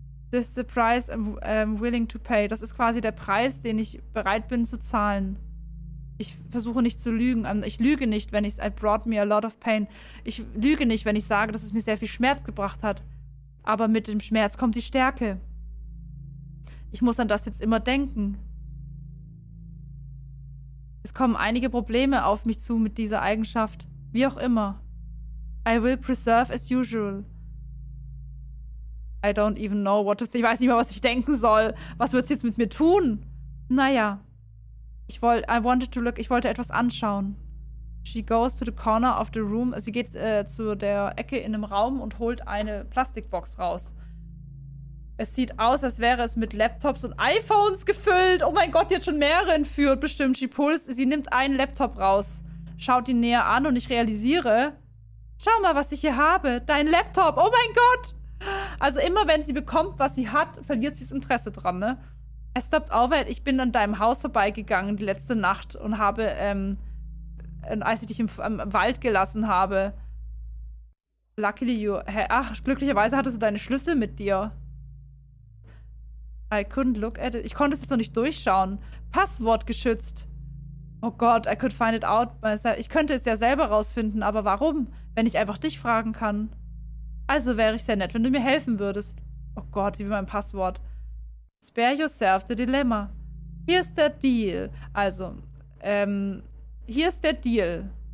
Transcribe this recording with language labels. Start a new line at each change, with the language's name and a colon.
English: This is the price I'm willing to pay.
German: Das ist quasi der Preis, den ich bereit bin zu zahlen. Ich versuche nicht zu lügen. Ich lüge nicht, wenn ich...
English: It brought me a lot of pain.
German: Ich lüge nicht, wenn ich sage, dass es mir sehr viel Schmerz gebracht hat. Aber mit dem Schmerz kommt die Stärke. Ich muss an das jetzt immer denken. Es kommen einige Probleme auf mich zu mit dieser Eigenschaft. Wie auch immer.
English: I will preserve as usual. I don't even know what to...
German: Ich weiß nicht mehr, was ich denken soll. Was wird's jetzt mit mir tun? Naja. Ich wollte etwas anschauen.
English: She goes to the corner of the room.
German: Sie geht zu der Ecke in einem Raum und holt eine Plastikbox raus. Es sieht aus, als wäre es mit Laptops und iPhones gefüllt. Oh mein Gott, die hat schon mehrere entführt. Bestimmt. Sie nimmt einen Laptop raus, schaut ihn näher an und ich realisiere, schau mal, was ich hier habe. Dein Laptop. Oh mein Gott. Also immer, wenn sie bekommt, was sie hat, verliert sie das Interesse dran, ne? Es stoppt auf, weil ich bin an deinem Haus vorbeigegangen die letzte Nacht und habe, als ich dich im Wald gelassen habe.
English: Luckily you...
German: Ach, glücklicherweise hattest du deine Schlüssel mit dir.
English: I couldn't look at it.
German: Ich konnte es jetzt noch nicht durchschauen. Passwort geschützt. Oh Gott,
English: I could find it out myself.
German: Ich könnte es ja selber rausfinden, aber warum, wenn ich einfach dich fragen kann? Also wäre ich sehr nett, wenn du mir helfen würdest. Oh Gott, wie mein Passwort.
English: Spare yourself the dilemma.
German: Hier ist der Deal. Also, hier ist der Deal.